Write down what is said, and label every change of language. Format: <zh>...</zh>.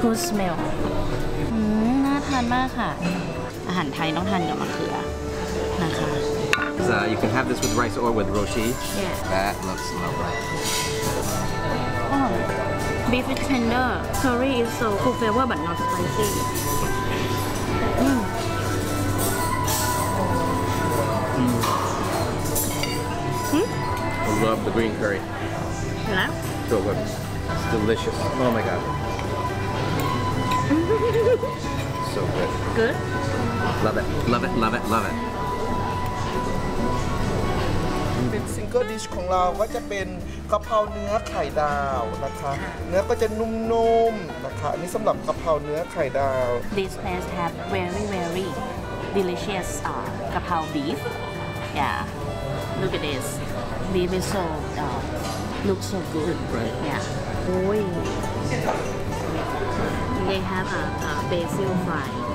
<en>Good smell</en> <th>น่าทานมากค่ะอาหารไทยต้องทานกับมะเขือนะคะ</th> <en>So you can have this with rice or with roti Yeah That looks lovely Beef is tender Curry is so cool flavor but not spicy I love the green curry. Yeah? So good. It's delicious. Oh my god. So good. Good? Love it, love it, love it, love it. Mixing single dish</en> <th>ของเราก็จะเป็นกะเพราเนื้อไข่ดาวนะคะเนื้อก็จะนุ่มๆ นะคะอันนี้สำหรับกะเพราเนื้อไข่ดาว</th> <en>This place have very very delicious กะเพรา beef yeah look at this beef is so look so good yeah โอ้ย they have a basil fry</en>